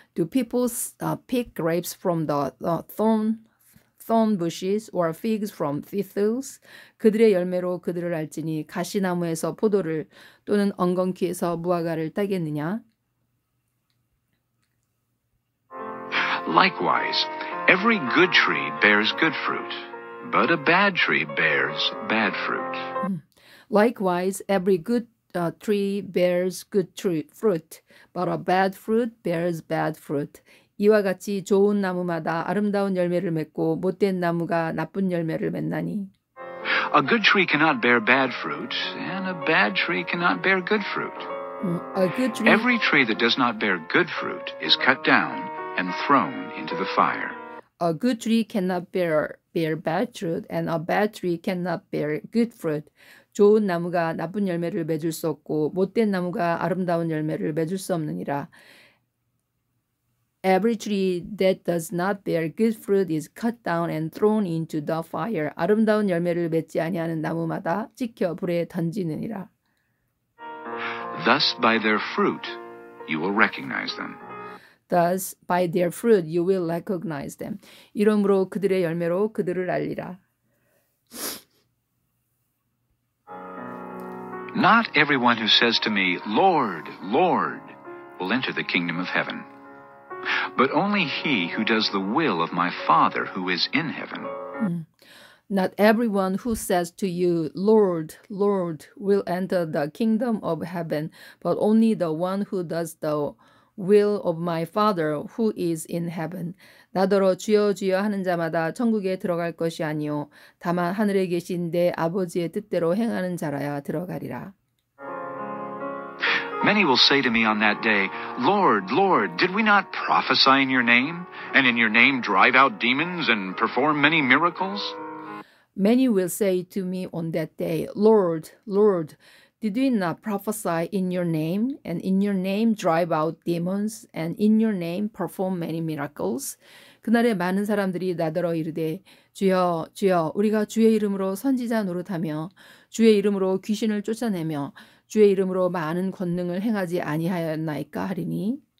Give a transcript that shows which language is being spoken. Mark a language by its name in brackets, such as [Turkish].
[English] Do people pick grapes from the thorn bushes or figs from thistles? [Korean] 그들의 열매로 그들을 알지니 가시나무에서 포도를 또는 엉겅퀴에서 무화과를 따겠느냐? [English] Likewise, every good tree bears good fruit, but a bad tree bears bad fruit. Likewise, every good tree bears good fruit, but a bad fruit bears bad fruit. [Korean] 이와 같이 좋은 나무마다 아름다운 열매를 맺고 못된 나무가 나쁜 열매를 맺나니. [English] A good tree cannot bear bad fruit, and a bad tree cannot bear good fruit. A good tree. Every tree that does not bear good fruit is cut down and thrown into the fire. A good tree cannot bear bad fruit, and a bad tree cannot bear good fruit. [Korean] 좋은 나무가 나쁜 열매를 맺을 수 없고 못된 나무가 아름다운 열매를 맺을 수 없느니라. [English] Every tree that does not bear good fruit is cut down and thrown into the fire. [Korean] 아름다운 열매를 맺지 아니하는 나무마다 찍혀 불에 던지느니라. [English] Thus by their fruit you will recognize them. Thus by their fruit you will recognize them. [Korean] 이러므로 그들의 열매로 그들을 알리라. [English] Not everyone who says to me, Lord, Lord, will enter the kingdom of heaven, but only he who does the will of my Father who is in heaven. Not everyone who says to you, Lord, Lord, will enter the kingdom of heaven, but only the one who does the will of my Father who is in heaven. [Korean] 나더러 주여 주여 하는 자마다 천국에 들어갈 것이 아니오 다만 하늘에 계신 내 아버지의 뜻대로 행하는 자라야 들어가리라. [English] Many will say to me on that day, Lord, Lord, did we not prophesy in your name and in your name drive out demons and perform many miracles? Many will say to me on that day, Lord, Lord, did we not prophesy in your name, and in your name drive out demons, and in your name perform many miracles? [Korean] 그날에 많은 사람들이 나더러 이르되, 주여, 주여, 우리가 주의 이름으로 선지자 노릇하며, 주의 이름으로 귀신을 쫓아내며, 주의 이름으로 많은 권능을 행하지 아니하였나이까 하리니?